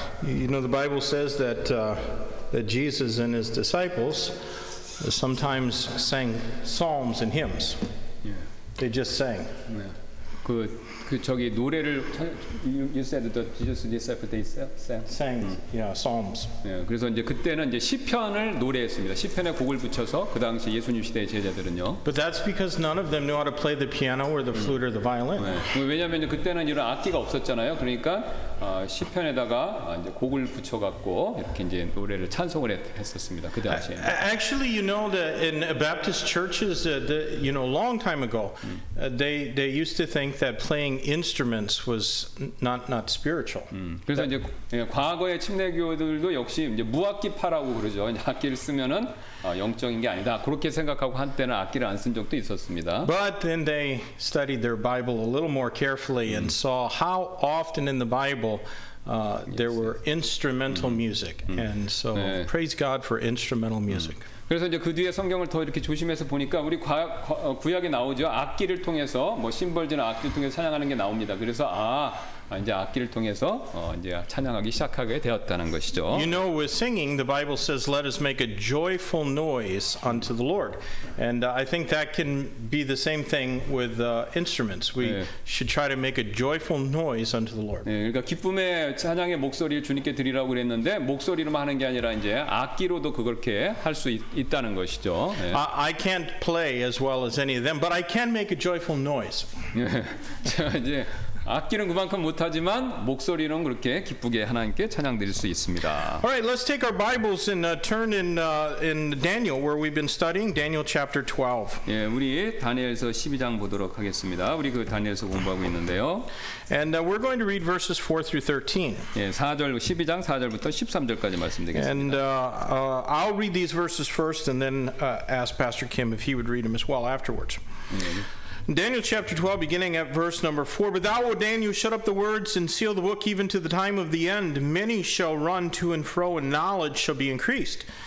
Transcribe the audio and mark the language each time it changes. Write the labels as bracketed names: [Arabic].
[English] You know, the Bible says that that Jesus and his disciples sometimes sang psalms and hymns. Yeah. They just sang. Yeah. [Korean] 그 저기 노래를 [English] you said that Jesus and his disciples sang. Yeah, psalms. [Korean] 예, 그래서 이제 그때는 이제 시편을 노래했습니다. 시편에 곡을 붙여서 그 당시 예수님 시대의 제자들은요. [English] But that's because none of them knew how to play the piano or the flute or the violin. [Korean] 예, 왜냐하면 그때는 이런 악기가 없었잖아요. 그러니까 시편에다가 이제 곡을 붙여갖고 이렇게 이제 노래를 찬송을 했었습니다. 그 당시에. [English] Actually, you know that in Baptist churches, you know, a long time ago, they used to think that playing instruments was not spiritual. [Korean] 그래서 이제 과거의 침례교들도 역시 이제 무악기파라고 그러죠. 악기를 쓰면은 영적인 게 아니다. 그렇게 생각하고 한때는 악기를 안 쓴 적도 있었습니다. [English] But then they studied their Bible a little more carefully and saw how often in the Bible there were instrumental music. And so praise God for instrumental music. [Korean] 그래서 이제 그 뒤에 성경을 더 이렇게 조심해서 보니까 우리 구약에 나오죠. 악기를 통해서 뭐 심벌즈나 악기를 통해서 찬양하는 게 나옵니다. 그래서 이제 악기를 통해서 이제 찬양하기 시작하게 되었다는 것이죠. [English] You know, with singing, the Bible says, "Let us make a joyful noise unto the Lord." And I think that can be the same thing with instruments. We 네. should try to make a joyful noise unto the Lord. [Korean] 네, 그러니까 기쁨의 찬양의 목소리를 주님께 드리라고 그랬는데 목소리로만 하는 게 아니라 이제 악기로도 그렇게 할 수 있다는 것이죠. 네. [English] I can't play as well as any of them, but I can make a joyful noise. [Korean] 자 이제 악기는 그만큼 못하지만 목소리는 그렇게 기쁘게 하나님께 찬양 드릴 수 있습니다. [English] All right, let's take our Bibles and turn in Daniel, where we've been studying Daniel chapter 12. [Korean] 예, 우리 다니엘서 12장 보도록 하겠습니다. 우리 그 다니엘서 공부하고 있는데요. [English] And we're going to read verses 4 through 13. [Korean] 예, 4절 12장 4절부터 13절까지 말씀드리겠습니다. [English] And I'll read these verses first, and then ask Pastor Kim if he would read them as well afterwards. 예. Daniel chapter 12, beginning at verse number 4. But thou, O Daniel, shut up the words and seal the book even to the time of the end. Many shall run to and fro, and knowledge shall be increased.